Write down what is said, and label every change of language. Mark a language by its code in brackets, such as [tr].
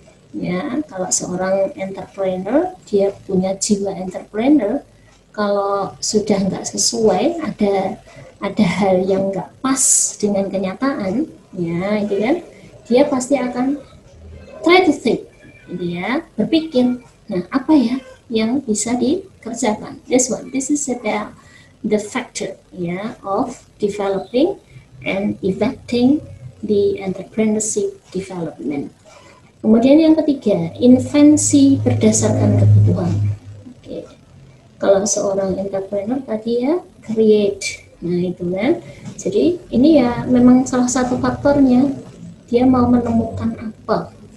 [id] Ya, kalau seorang entrepreneur, dia punya jiwa entrepreneur. Kalau sudah nggak sesuai, ada hal yang nggak pas dengan kenyataan, ya, gitu kan? Dia pasti akan [en] try to think, [id] ya, berpikir. Nah, apa ya yang bisa dikerjakan? [en] This one, this is about the factor, ya, of developing and effecting the entrepreneurship development. [id] Kemudian yang ketiga, invensi berdasarkan kebutuhan. Oke. Kalau seorang entrepreneur tadi ya, create. Nah, itu kan. Jadi, ini ya memang salah satu faktornya, dia mau menemukan apa.